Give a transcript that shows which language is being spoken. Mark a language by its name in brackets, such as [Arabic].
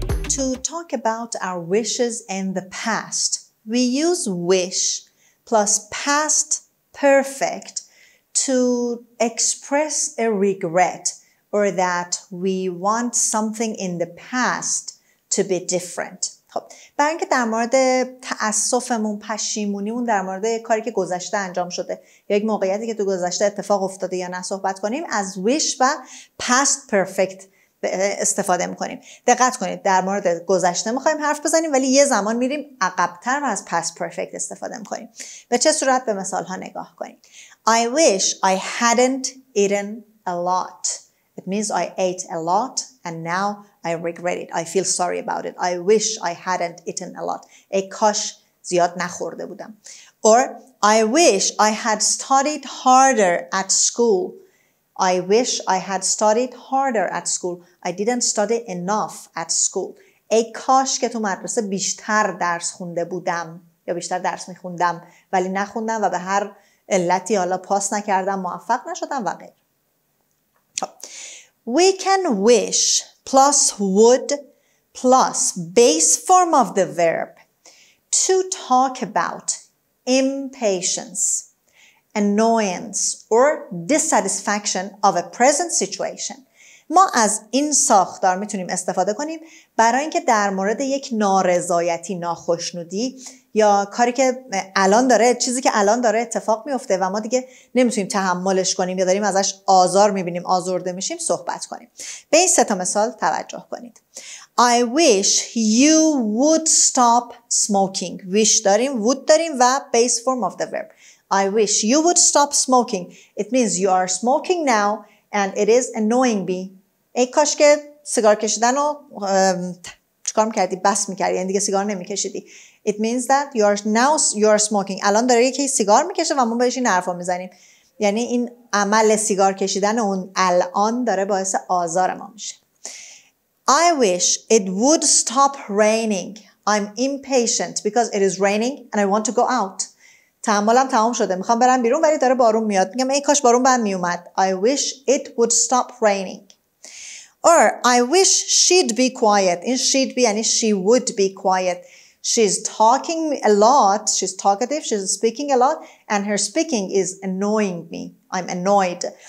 [English] To talk about our wishes in the past, we use wish plus past perfect to express a regret or that we want something in the past to be different. [Persian] خب برای اینکه در مورد تأسفمون، پشیمونیمون در مورد کاری که گذشته انجام شده یا یک موقعیتی که تو گذشته اتفاق افتاده یا نه صحبت کنیم، از wish و past perfect استفاده میکنیم. دقت کنید، در مورد گذشته میخوایم حرف بزنیم ولی یه زمان میریم عقبتر و از past perfect استفاده میکنیم. به چه صورت؟ به مثال ها نگاه کنیم. [English] I wish I hadn't eaten a lot. It means I ate a lot and now I regret it. I feel sorry about it. I wish I hadn't eaten a lot. [Persian] ای کاش زیاد نخورده بودم. [English] Or I wish I had studied harder at school. I wish I had studied harder at school. I didn't study enough at school. [Persian] ای کاش که تو مدرسه بیشتر درس خونده بودم یا بیشتر درس میخوندم ولی نخوندم و به هر علتی حالا پاس نکردم، موفق نشدم و غیر. [English] We can wish plus would plus base form of the verb to talk about impatience, annoyance or dissatisfaction of a present situation. [Persian] ما از این ساختار میتونیم استفاده کنیم برای اینکه در مورد یک نارضایتی، ناخشنودی یا کاری که الان داره، چیزی که الان داره اتفاق میفته و ما دیگه نمیتونیم تحملش کنیم یا داریم ازش آزار میبینیم، آزرده میشیم، صحبت کنیم. به این سه تا مثال توجه کنید. [English] I wish you would stop smoking. Wish داریم، would داریم و base form of the verb. I wish you would stop smoking. It means you are smoking now and it is annoying me. [Persian] ای کاش که سیگار کشیدن رو چکار میکردی؟ بس میکردی، یعنی دیگه سیگار نمیکشیدی. [English] It means that you are smoking. [Persian] الان داره یکی سیگار میکشه و ما بهش این حرفو میزنیم. یعنی این عمل سیگار کشیدن اون الان داره باعث آزار ما میشه. [English] I wish it would stop raining. I'm impatient because it is raining and I want to go out. [Persian] تعاملم تمام شده. میخوام برم بیرون ولی داره بارون میاد. میگم ای کاش بارون بند میومد. [English] I wish it would stop raining. Or I wish she'd be quiet. این she'd be یعنی she would be quiet. She's talking a lot, she's talkative, she's speaking a lot, and her speaking is annoying me. I'm annoyed.